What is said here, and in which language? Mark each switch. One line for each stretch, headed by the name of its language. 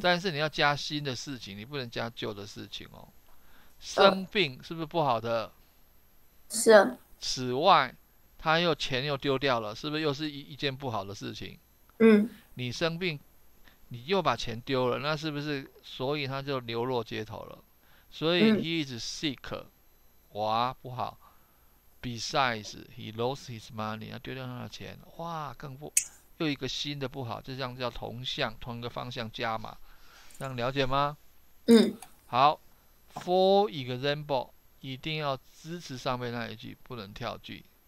Chinese: 但是你要加新的事情，你不能加旧的事情哦。生哦，病是不是不好的？是，此外，他又钱又丢掉了，是不是又是一件不好的事情？嗯，你生病，你又把钱丢了，那是不是所以他就流落街头了？所以嗯。
English: he is sick，
Chinese: 哇，不好。
English: Besides, he lost his money，
Chinese: 他丢掉他的钱，哇，更不，又一个新的不好，就像叫同向同一个方向加码，这样了解吗？嗯，
English: 好，for example。
Chinese: 一定要支持上面那一句，不能跳句。